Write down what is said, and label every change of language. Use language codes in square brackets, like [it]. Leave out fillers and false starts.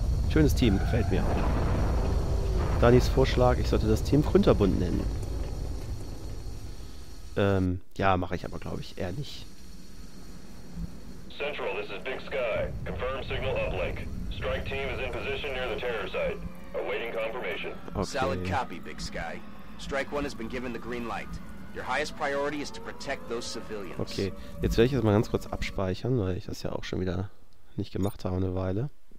[de] Schönes Team, gefällt mir. Danis Vorschlag, ich sollte das Team Kunterbund nennen. Ja, mache ich aber, glaube ich, eher nicht. [en] Central, this is Big Sky. Confirm signal uplink. Strike team is in position near the terror site. Awaiting confirmation. Okay. Solid copy, Big Sky. Strike one has been given the green light. Your highest priority is to protect those civilians. [de] Okay, jetzt werde ich das mal ganz kurz abspeichern, weil ich das ja auch schon wieder nicht gemacht habe eine Weile.